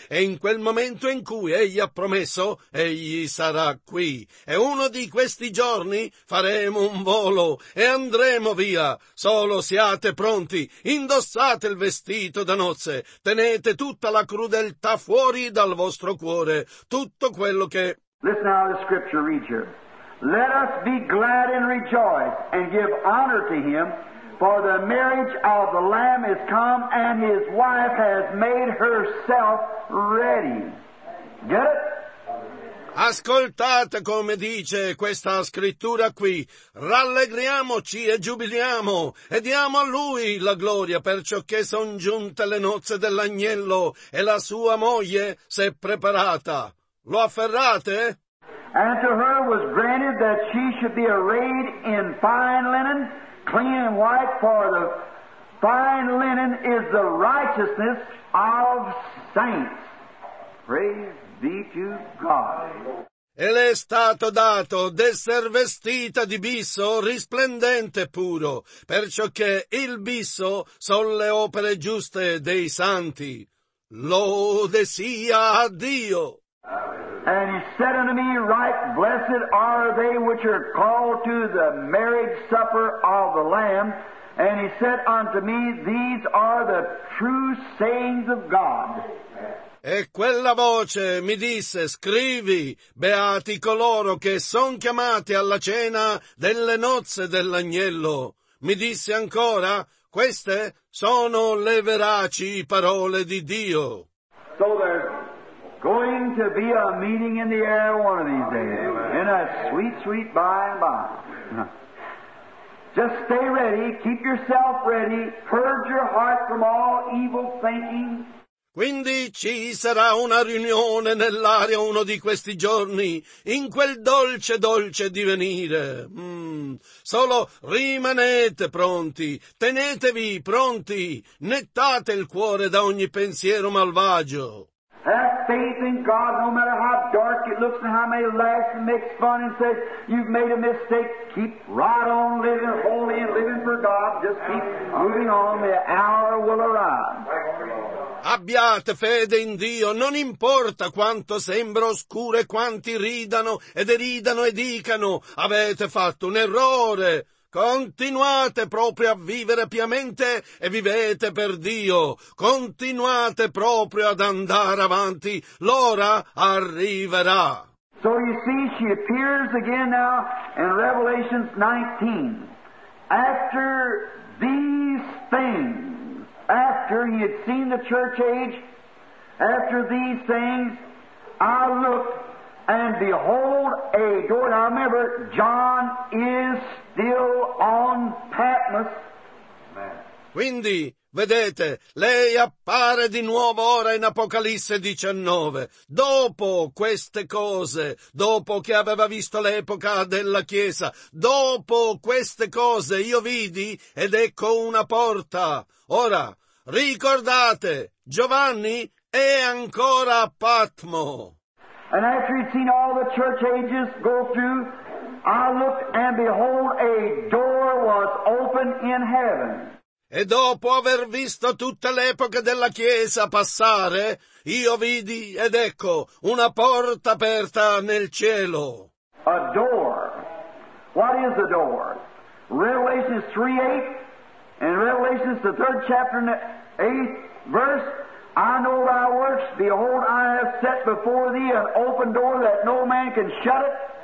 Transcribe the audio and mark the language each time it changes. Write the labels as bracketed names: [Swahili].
[Italian] E in quel momento in cui egli ha promesso, egli sarà qui. E uno di questi giorni faremo un volo e andremo via. Solo siate pronti, indossate il vestito da nozze. Tenete tutta la crudeltà fuori dal vostro cuore. Tutto quello che... [English] Listen now to the scripture, read here. Let us be glad and rejoice and give honor to him, for the marriage of the Lamb is come and his wife has made herself ready. Get it? [Italian] Ascoltate come dice questa scrittura qui. Rallegriamoci e giubiliamo e diamo a lui la gloria per ciò che son giunte le nozze dell'agnello e la sua moglie s'è preparata. Lo afferrate? [English] And to her was granted that she should be arrayed in fine linen, clean and white, for the fine linen is the righteousness of saints. Praise be to God. [Italian] E le è stato dato d'esser vestita di bisso risplendente puro, perciò che il bisso son le opere giuste dei santi. Lode sia a Dio. [English] And he said unto me, Right blessed are they which are called to the marriage supper of the Lamb. And he said unto me, These are the true sayings of God. [Italian] E quella voce mi disse, Scrivi, beati coloro che son chiamati alla cena delle nozze dell'agnello. Mi disse ancora, Queste sono le veraci parole di Dio. [English] So there. Going to be a meeting in the air one of these days. In a sweet, sweet by and by. Just stay ready, keep yourself ready, purge your heart from all evil thinking. [Italian] Quindi ci sarà una riunione nell'aria uno di questi giorni, in quel dolce, dolce divenire. Solo rimanete pronti, tenetevi pronti, nettate il cuore da ogni pensiero malvagio. [English] Have faith in God, no matter how dark it looks and how many laughs and makes fun and says, you've made a mistake, keep right on living holy and living for God. Just keep moving on, the hour will arrive. [Italian] Abbiate fede in Dio, non importa quanto sembra oscuro e quanti ridano e deridano e dicano, avete fatto un errore. Continuate proprio a vivere piamente e vivete per Dio. Continuate proprio ad andare avanti. L'ora arriverà. [English] So you see, she appears again now in Revelation 19. After these things, after he had seen the church age, after these things, I looked and behold a door. Now remember, John is still on Patmos. [Italian] Quindi, vedete, lei appare di nuovo ora in Apocalisse 19. Dopo queste cose, dopo che aveva visto l'epoca della Chiesa, dopo queste cose io vidi ed ecco una porta. Ora, ricordate, Giovanni è ancora a Patmo. [English] And after he'd seen all the church ages go through, I looked and behold a door was open in heaven. [Italian] E dopo aver visto tutte le epoche della Chiesa passare, io vidi, ed ecco, una porta aperta nel cielo. [English] A door. What is a door? Revelation 3:8 and Revelation the 3rd chapter and the 8th verse. I know thy works. Behold, I have set before thee an open door that no man can shut it.